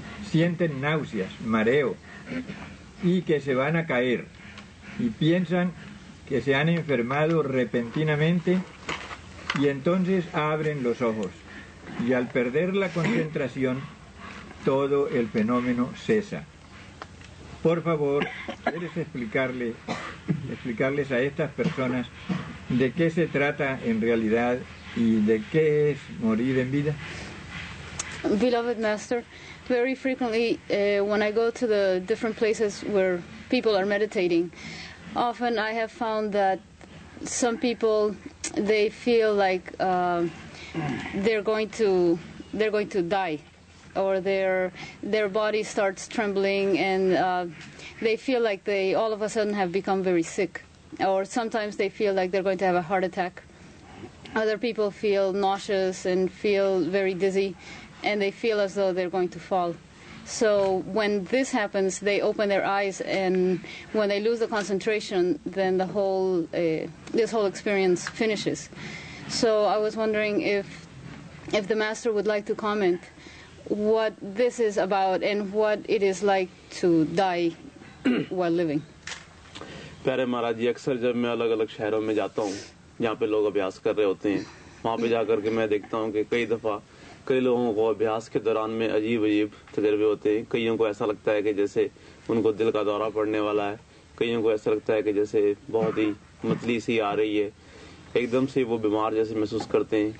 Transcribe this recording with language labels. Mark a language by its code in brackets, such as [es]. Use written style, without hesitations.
[es] Sienten náuseas, mareo y que se van a caer y piensan que se han enfermado repentinamente y entonces abren los ojos y al perder la concentración todo el fenómeno cesa. Por favor, ¿quieres explicarles a estas personas de qué se trata en realidad y de qué es morir en vida? [en] Beloved Master, very frequently when I go to the different places where people are meditating, often I have found that some people, they feel like they're going to die. Or their body starts trembling, and they feel like they all of a sudden have become very sick. Or sometimes they feel like they're going to have a heart attack. Other people feel nauseous and feel very dizzy, and they feel as though they're going to fall. So when this happens, they open their eyes, and when they lose the concentration, then the whole this whole experience finishes. So I was wondering if the master would like to comment what this is about and what it is like to die while living. [hi] प्यारे महाराज जी, अक्सर जब मैं अलग अलग शहरों में जाता हूँ जहाँ पे लोग अभ्यास कर रहे होते हैं, वहाँ पे जाकर के मैं देखता हूँ कि कई दफा कई लोगों को अभ्यास के दौरान में अजीब अजीब तजर्बे होते हैं. कईयों को ऐसा लगता है कि जैसे उनको दिल का दौरा पड़ने वाला है, कईयों को ऐसा लगता है कि जैसे बहुत ही मतली सी आ रही है, एकदम से वो बीमार जैसे महसूस करते हैं.